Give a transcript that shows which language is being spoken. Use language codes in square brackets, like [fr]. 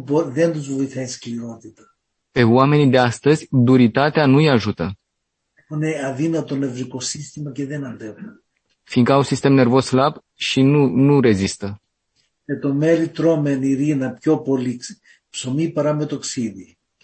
[el] Δεν τους βοηθάει σκληρότητα. [ro] Pe oamenii de astăzi, duritatea nu-i ajută. [el] Είναι αδύνατο νευρικό σύστημα και δεν αντέχουν. [ro] fiindcă au sistem nervos slab și nu rezistă. [el] Και το μέλι τρώμε ειρήνα πιο πολύ ψωμί παρά με τοξίδι.